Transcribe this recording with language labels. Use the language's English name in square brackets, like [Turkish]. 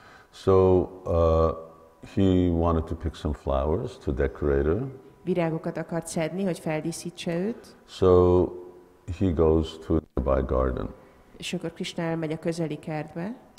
[English] So he wanted to pick some flowers to decorate her. [Hungarian] Virágokat akart szedni, hogy feldíszítse őt. [English] So he goes to a nearby garden. [Hungarian] És akkor Krishna elmegy a közeli kertbe.